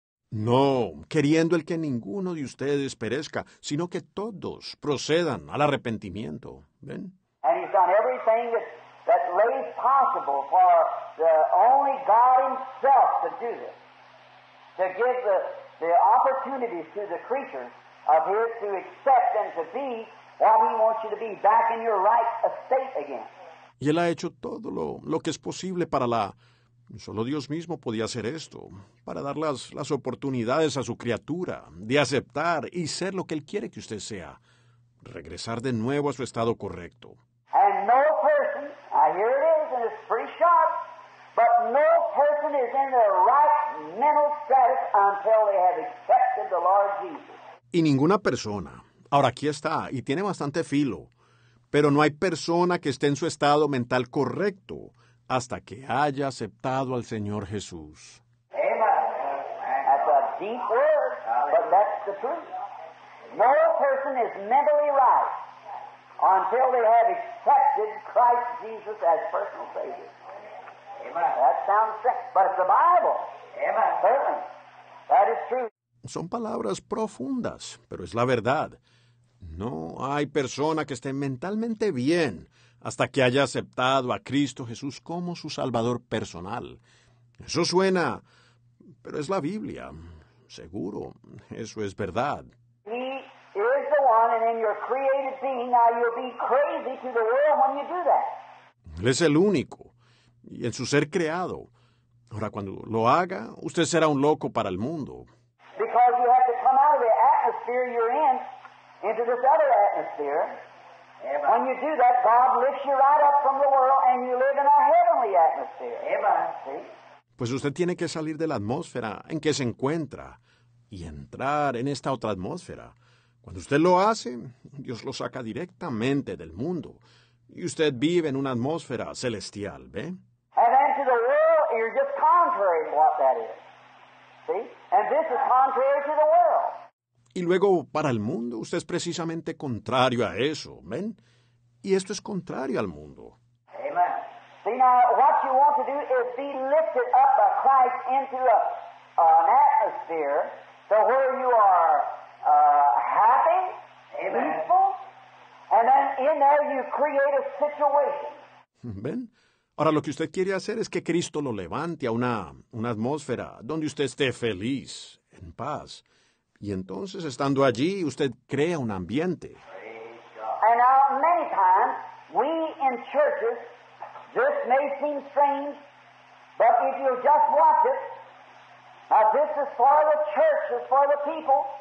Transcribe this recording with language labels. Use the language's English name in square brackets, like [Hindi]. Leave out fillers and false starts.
[Spanish] No, queriendo el que ninguno de ustedes perezca, sino que todos procedan al arrepentimiento. ¿Ven? [English] And he's done everything that lays possible for the only God himself to do this. To give the opportunities to the creatures of here to accept and to be what he wants you to be, back in your right estate again. [Spanish] Y él ha hecho todo lo que es posible para la... Solo Dios mismo podía hacer esto, para dar las oportunidades a su criatura de aceptar y ser lo que él quiere que usted sea. Regresar de nuevo a su estado correcto. [English] And no person, I hear it is, and it's pretty sharp, but no person is in their right mental status until they have accepted the Lord Jesus. [Spanish] Y ninguna persona, ahora aquí está, y tiene bastante filo, pero no hay persona que esté en su estado mental correcto hasta que haya aceptado al Señor Jesús. [English] Amen. That's a deep word, but that's the truth. No person is mentally right until they have accepted Christ Jesus as personal Savior. Amen. That sounds sick, but it's the Bible. Amen. Certainly. That is true. [Spanish] Son palabras profundas, pero es la verdad. No hay persona que esté mentalmente bien hasta que haya aceptado a Cristo Jesús como su Salvador personal. Eso suena, pero es la Biblia. Seguro, eso es verdad. [English] He is the one, and in your created being, now you'll be crazy to the world when you do that. [Spanish] Él es el único, y en su ser creado. Ahora, cuando lo haga, usted será un loco para el mundo. [English] Because you have to come out of the atmosphere you're in into this other atmosphere. Amen. When you do that, God lifts you right up from the world and you live in a heavenly atmosphere. Amen. See? [Spanish] Pues usted tiene que salir de la atmósfera en que se encuentra y entrar en esta otra atmósfera. Cuando usted lo hace, Dios lo saca directamente del mundo y usted vive en una atmósfera celestial, ¿ve? [English] And then to the world, you're just contrary to what that is. See? And this is contrary to the world. [Spanish] Y luego, para el mundo, usted es precisamente contrario a eso, ¿ven? Y esto es contrario al mundo. [English] Amen. See, now, what you want to do is be lifted up by Christ into an atmosphere to where you are happy, amen, peaceful, and then in there you create a situation. [Spanish] ¿Ven? Ahora, lo que usted quiere hacer es que Cristo lo levante a una atmósfera donde usted esté feliz, en paz. Y entonces, estando allí, usted crea un ambiente. [English] And now, many times, we in churches, this may seem strange, but if you just watch it, now this is for the church, it's for the people.